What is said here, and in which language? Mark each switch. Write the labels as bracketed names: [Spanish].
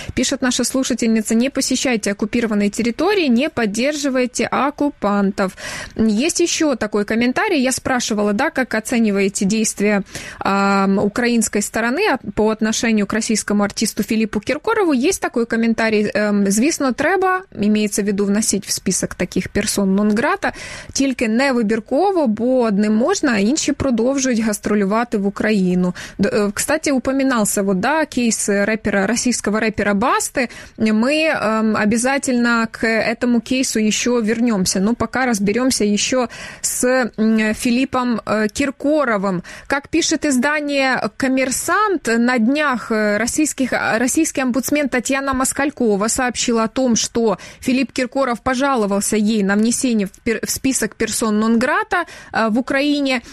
[Russian] Пишет наша слушательница: не посещайте оккупированные территории, не поддерживайте оккупантов. Есть еще такой комментарий. Я спрашивала, да, как оцениваете действия украинской стороны по отношению к российскому артисту Филиппу Киркорову. Есть такой комментарий. [Ukrainian] Звісно, треба, [Russian] имеется в виду вносить в список таких персон нон-грата, [Ukrainian] тільки не вибірково, бо одним можна, а інші продовжують гастролювати в Украину. [Russian] Кстати, упоминался вот, да, кейс рэпера, российского рэпера Басты. Мы обязательно к этому кейсу еще вернемся. Но пока разберемся еще с Филиппом Киркоровым. Как пишет издание «Коммерсант», на днях российский омбудсмен Татьяна Москалькова сообщила о том, что Филипп Киркоров пожаловался ей на внесение в список персон нон-грата в Украине.